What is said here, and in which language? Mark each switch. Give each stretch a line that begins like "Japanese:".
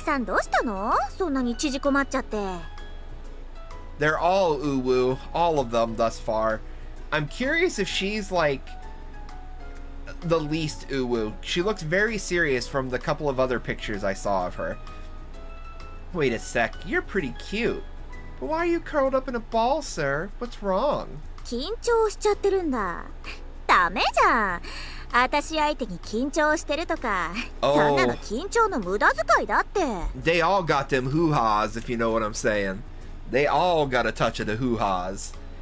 Japanese: ちょっと待って、可愛いんだけど。お客さんどうしたの?そんなに縮こまっちゃって。
English: They're all uwu, all of them thus far. I'm curious if she's like the least uwu. She looks very serious from the couple of other pictures I saw of her. Wait a sec, you're pretty cute. But why are you curled up in a ball, sir? What's wrong?
Japanese: 緊張しちゃってるんだ。ダメじゃん。私相手に緊張してるとか。
English: Oh.
Japanese: そんなの緊張の無駄遣いだって。
English: They all got them hoo-haws, if you know what I'm saying. They all got a touch of the hoo-haws.